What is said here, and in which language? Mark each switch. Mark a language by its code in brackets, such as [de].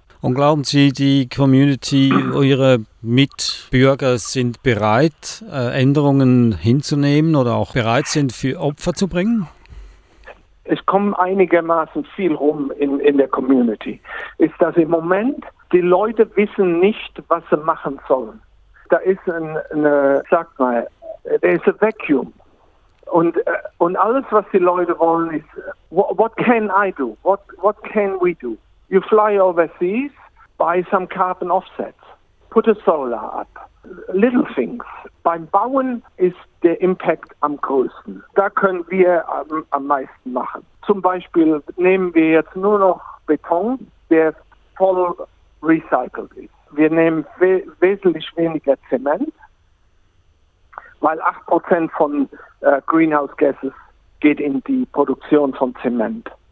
[de] Und glauben Sie, die Community, Ihre Mitbürger sind bereit, Änderungen hinzunehmen oder auch bereit sind, für Opfer zu bringen? Es kommt einigermaßen viel rum in der Community. Ist das im Moment, die Leute wissen nicht, was sie machen sollen. Da ist ein Vacuum. Und alles, was die Leute wollen, ist, [en] what can I do? What can we do? You fly overseas, buy some carbon offsets, put a solar up. Little things. [de] Beim Bauen ist der Impact am größten. Da können wir am meisten machen. Zum Beispiel nehmen wir jetzt nur noch Beton, der voll recycelt ist. Wir nehmen wesentlich weniger Zement, weil 8% von Greenhouse Gases geht in die Produktion von Zement.